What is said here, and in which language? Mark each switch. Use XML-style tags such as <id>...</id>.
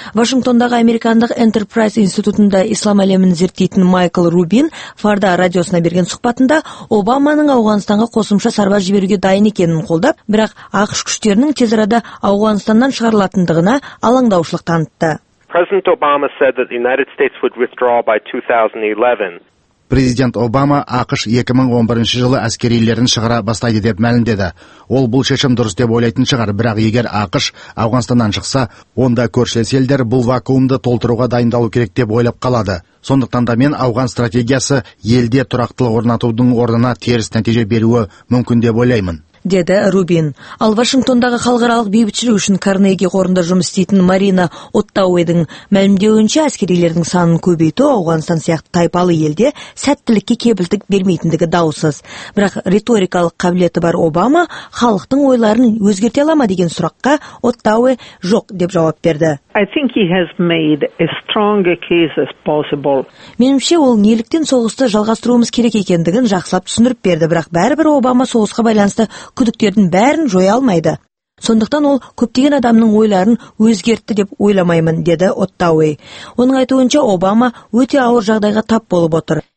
<kk>Вашингтондағы американдық Enterprise институтында ислам әлемін зерттейтін Майкл Рубин Фарда радиосына берген сұхбатында Обаманың Ауғанстанға қосымша сарбаз жіберуге дайын екенін қолдап, бірақ ақш күштерінің тез арада Ауғанстаннан шығарылатындығына алаңдаушылық танытты.</kk> <en>President Obama said that the United States would withdraw by 2011.</en> <kk>Президент Обама ақш 2011 жылы әскерилерін шығара бастайды деп мәлімдеді. Ол бұл шешім дұрыс деп ойлайтын шығар, бірақ егер ақш Ауғанстаннан шықса, онда көршілес елдер бұл вакуумды толтыруға дайындалу керек деп ойлап қалады. Сондықтан да мен ауған стратегиясы елде тұрақтылық орнатудың орнына теріс нәтиже беруі мүмкін деп ойлаймын. Деді Рубин. Ал Вашингтондағы халықаралық бейбітшілік үшін Карнеги қорында жұмыс істейтін Марина Оттауэдің мәлімдеуінше әскерилердің санын көбейту Ауғанстан сияқты тайпалы елде сәттілікке кепілдік бермейтіндігі даусыз. Бірақ риторикалық қабілеті бар Обама халықтың ойларын өзгерте ала ма деген сұраққа Оттауэ жоқ деп жауап берді.</kk> <en>I think he has made as strong a case as possible.</en> <kk>Меніңше ол неліктен соғысты жалғастыруымыз керек екендігін жақсылап түсіндіріп берді, бірақ бәрібір Обама соғысқа байланысты күдіктердің бәрін жоя алмайды. Сондықтан ол көптеген адамның ойларын өзгертті деп ойламаймын, деді Оттауэй. Оның айтуынша Обама өте ауыр жағдайға тап болып отыр.</kk>